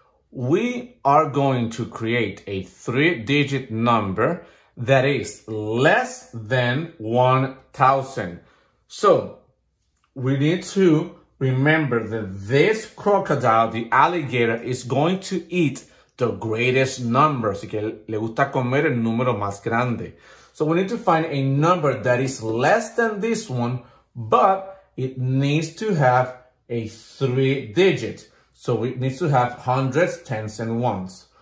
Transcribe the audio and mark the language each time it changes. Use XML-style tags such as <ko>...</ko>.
<en>We are going to create a three-digit number that is less than 1,000. So, we need to remember that this crocodile, the alligator, is going to eat the greatest number.</en> <es>Así que le gusta comer el número más grande.</es> <en>So we need to find a number that is less than this one, but it needs to have a three digit. So it needs to have hundreds, tens, and ones.</en>